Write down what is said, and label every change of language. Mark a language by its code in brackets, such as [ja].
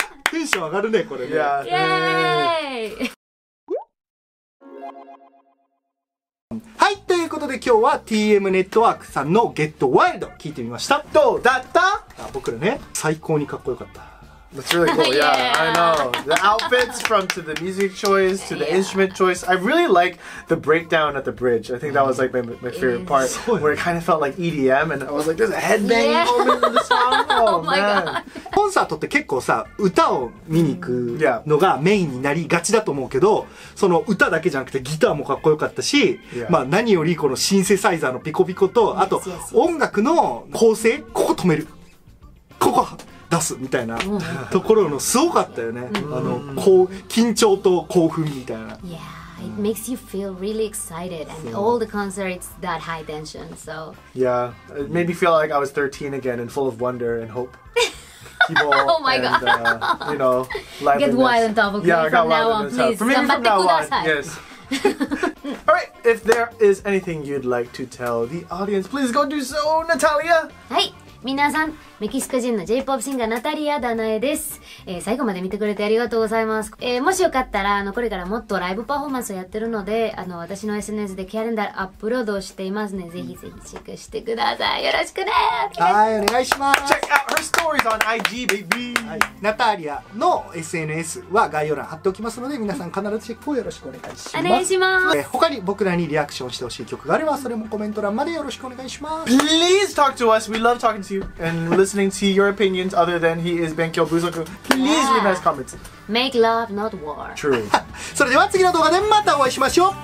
[ja] テンション上がるねこれね。 [en] Yeah. [ja] はい、ということで今日は TM ネットワークさんの Get Wild 聞いてみました。どうだった？あ、僕らね、最高にかっこよかった。 [en] That's really cool. Yeah, yeah, I know. The outfits from to the music choice to the instrument choice. I really like the breakdown at the bridge. I think that was like my favorite part where it kind of felt like EDM and I was like, there's a headbang moment in the song. Oh, man. [ja] コンサートって結構さ、歌を見に行くのがメインになりがちだと思うけど、その歌だけじゃなくてギターもかっこよかったし、yeah. まあ何よりこのシンセサイザーのピコピコと、あと音楽の構成、ここ止める。ここ。出すみたいなところのすごかったよね。あの、こう緊張と興奮みたいな。 [en] Yeah, it makes you feel really excited and all the concerts that high tension, so. Yeah, it made me feel like I was 13 again and full of wonder and hope. Oh my god. And, you know, life. Get wild and double click from now on, please. For me, from now on, yes. All right, if there is anything you'd like to tell the audience, please go do so, Natalia. Hey. [ja] 皆さん、メキシコ人の J-POP シンガーナタリア・ダナエです、最後まで見てくれてありがとうございます、もしよかったらこれからもっとライブパフォーマンスをやってるので私の SNS でキャレンダーアップロードしていますね、ぜひぜひチェックしてください、よろしくね、はい、お願いします。 [en] Check out her stories on IG, baby、 [ja] はい、ナタリアの SNS は概要欄貼っておきますので皆さん必ずチェックをよろしくお願いします、お願いします、他に僕らにリアクションしてほしい曲があればそれもコメント欄までよろしくお願いします。 [en] Please talk to us, we love talking toAnd listening to your opinions other than he is Benkyo Buzoku. Please leave us comments. Make love, not war. True. [ja] それでは次の動画でまたお会いしましょう。